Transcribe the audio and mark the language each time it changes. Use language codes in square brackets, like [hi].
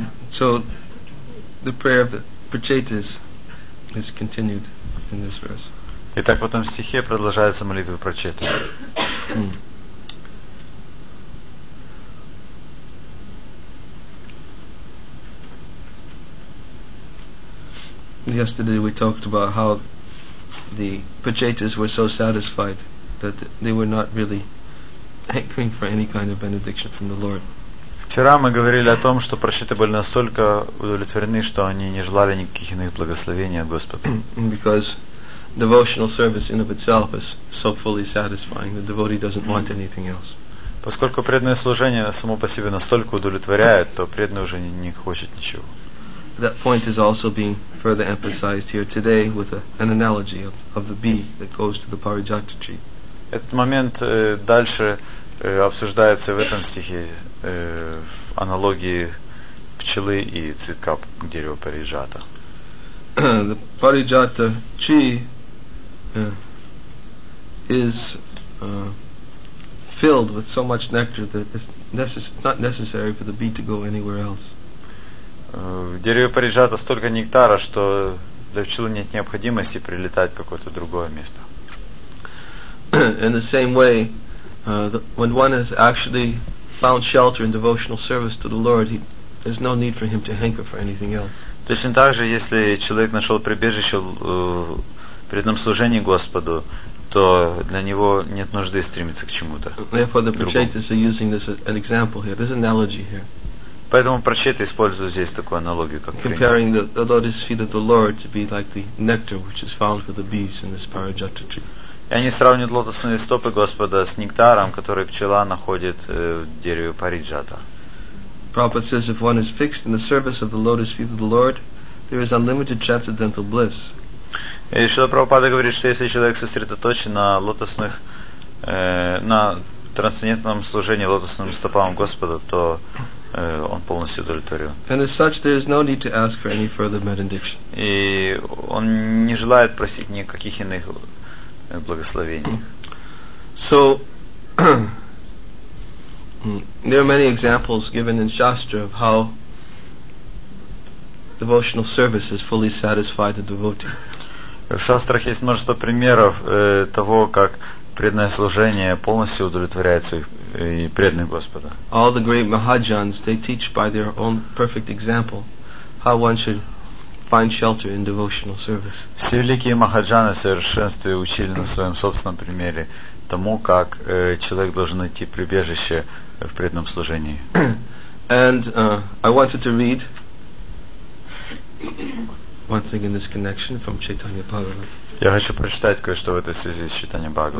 [en] So the prayer of the Prachetas is continued in this verse. [ru] Итак, в этом стихе продолжается молитва Прачеты. [en] Yesterday we talked about how the Prachetas were so satisfied that they were not really hankering for any kind of benediction from the Lord. [ru] Вчера мы говорили о том, что Прачеты были настолько удовлетворены, что они не желали никаких иных благословений от Господа. [en] Because devotional service in of itself is so fully satisfying. The devotee doesn't want anything else. [ru] Поскольку преданное служение само по себе настолько удовлетворяет, то преданный уже не хочет ничего. [en] That point is also being further emphasized here today with an analogy of the bee that goes to the parijata tree. [ru] Этот момент дальше обсуждается в этом стихе в аналогии пчелы и цветка дерева парижата. [en] The parijata tree is filled with so much nectar that it's not necessary for the bee to go anywhere else. [ru] В дереве парижата столько нектара, что для пчелы нет необходимости прилетать в какое-то другое место. [en] In the same way, when one has actually found shelter in devotional service to the Lord, there's no need for him to hanker for anything else. [ru] Точно так же, если человек нашел прибежище в преданном служении Господу, то для него нет нужды стремиться к чему-то. [en] Therefore, the prachetas are using this as an example here. There's an analogy here. [ru] Поэтому прачеты используют здесь такую аналогию, как пример. [en] Comparing the lotus feet of the Lord to be like the nectar which is found for the bees in this parijata tree. [ru] И они сравнивают лотосные стопы Господа с нектаром, который пчела находит в дереве парижата. [en] Prabhupada says, if one is fixed in the service of the lotus feet of the Lord, there is unlimited transcendental bliss. [ru] И Шрила Прабхупада говорит, что если человек сосредоточен на лотосных, на трансцендентном служении лотосным стопам Господа, то он полностью удовлетворен. [en] And as such, there is no need to ask for any further benediction. [ru] И он не желает просить никаких иных благословений. [en] So, there are many examples given in Shastra of how devotional service is fully satisfied the devotee. [ru] В шастрах есть множество примеров того, как преданное служение полностью удовлетворяет и преданных Господа. [en] All the great mahajans, they teach by their own perfect example how one should find shelter in devotional service. [ru] Все великие махаджаны в совершенстве учили на своем собственном примере тому, как человек должен найти прибежище в преданном служении. [en] And I wanted to read one thing in this connection from Chaitanya Bhagavata. [ru] Я хочу прочитать кое-что в этой связи с Чайтанья Бхагаватом.